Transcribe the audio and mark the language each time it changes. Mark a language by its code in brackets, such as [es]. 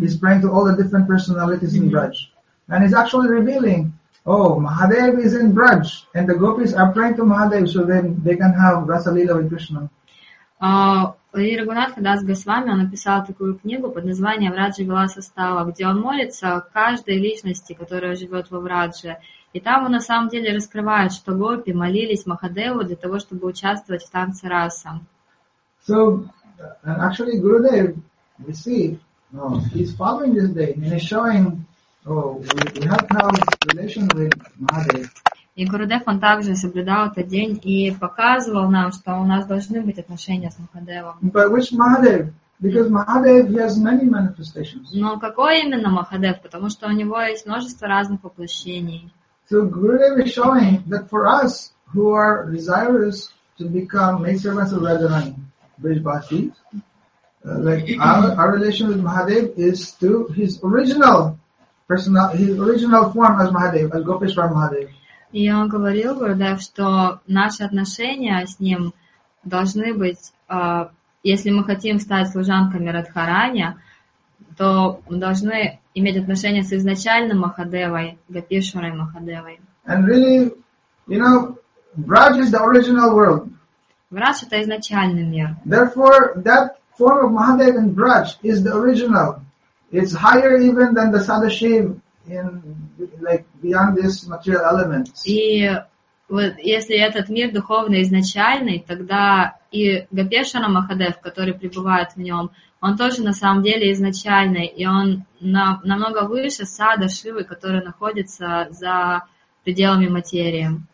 [en] he's praying to all the different personalities mm-hmm. in Braj. And he's actually revealing, oh, Mahadev is in Braj, and the gopis are praying to Mahadev, so then they can have Rasa Lila with Krishna. [ru] И Рагунатха Дас Госвами написал такую книгу под названием «Враджа Виласа Става», где он молится каждой личности, которая живет во Врадже. И там он на самом деле раскрывает, что гопи молились Махадеву для того, чтобы участвовать в танце раса. [en] So, actually, Gurudev, we see, he's following this day, and he's showing, we have to have a relation with Mahadev. [ru] И Гурудев, он также соблюдал этот день и показывал нам, что у нас должны быть отношения с Махадевом. [en] But which Mahadev? Because Mahadev, he has many manifestations. [ru] Но какой именно Махадев? Потому что у него есть множество разных воплощений. [en] So Gurudev is showing that for us, who are desirous to become maidservants of Radharani, Brijbhati, our relation with Mahadev is to his original personal, his original form as Mahadev, as Gopeshwar Mahadev. [ru] И он говорил, Гурудев, что наши отношения с ним должны быть, если мы хотим стать служанками Радхарани, то мы должны иметь отношения с изначальным Махадевой, Гопишварой Махадевой. [en] And really, you know, Braj is the original world. [ru] Враж — это изначальный мир. [en] Therefore, that form of Mahadev in Braj is the original. It's higher even than the Sadashiv in beyond these material elements. [ru] И вот если этот мир духовный изначальный, тогда и Гопешвара Махадев, который пребывает в нем, он тоже на самом деле изначальный, и он намного выше сада Шивы, который находится за пределами материи.